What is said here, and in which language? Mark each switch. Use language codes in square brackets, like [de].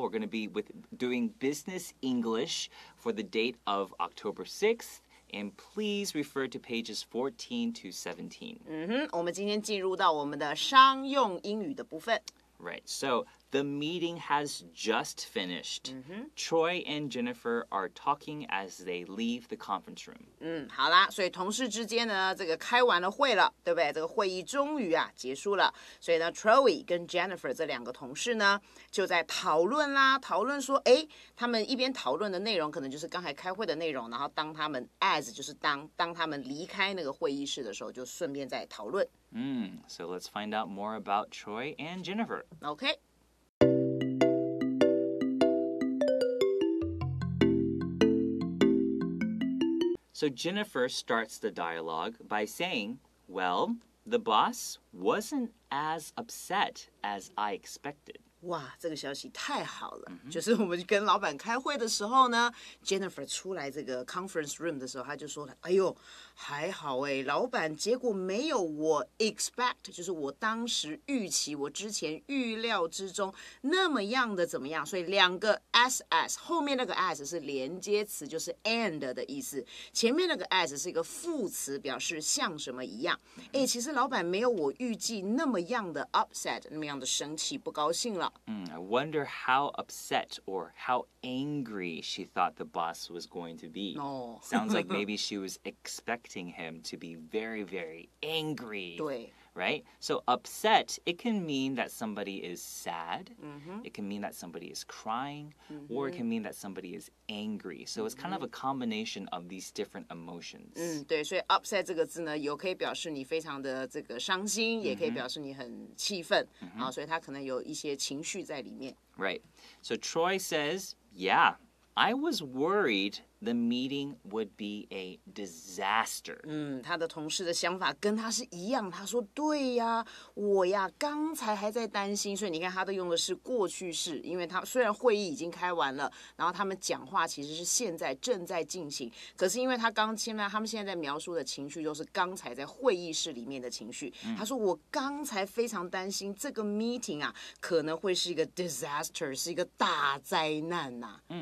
[en] We're going to be doing business English for the date of October 6th. And please refer to pages 14 to 17. [zh] 我们今天进入到我们的商用英语的部分。 [en] Right, so the meeting has just finished. Troy and Jennifer are talking as they leave the conference room. [zh] 好啦，所以同事之间呢，这个开完了会了，对不对？这个会议终于啊结束了。所以呢 ，Troy 跟 Jennifer 这两个同事呢，就在讨论啦，讨论说，哎，他们一边讨论的内容可能就是刚才开会的内容，然后当他们 as 就是当他们离开那个会议室的时候，就顺便在讨论。 [en] So let's find out more about Troy and Jennifer. Okay. So Jennifer starts the dialogue by saying, Well, the boss wasn't as upset as I expected. [zh] 哇，这个消息太好了！就是我们跟老板开会的时候呢 ，Jennifer 出来这个 conference room 的时候，他就说了：“哎呦，还好哎，老板，结果没有我 expect， 就是我当时预期，我之前预料之中那么样的怎么样？所以两个 as 后面那个 as 是连接词，就是 and 的意思，前面那个 as 是一个副词，表示像什么一样。哎，其实老板没有我预计那么样的 upset， 那么样的生气，不高兴了。 [en] I wonder how upset or how angry she thought the boss was going to be. Sounds like maybe she was expecting him to be very, very angry. [zh] 对 [en] Right? So upset, it can mean that somebody is sad. It can mean that somebody is crying. Or it can mean that somebody is angry. So it's kind of a combination of these different emotions. [zh] 对，所以 upset 这个字呢，有可以表示你非常的这个伤心，也可以表示你很气愤。所以它可能有一些情绪在里面。 [en] Right. So Troy says, yeah, I was worried the meeting would be a disaster. [zh] 他的同事的想法跟他是一样，他说对呀，我呀刚才还在担心，所以你看他都用的是过去式，因为他虽然会议已经开完了，然后他们讲话其实是现在正在进行，可是因为他们现在在描述的情绪都是刚才在会议室里面的情绪，他说我刚才非常担心这个 meeting 啊可能会是一个 disaster， 是一个大灾难啊。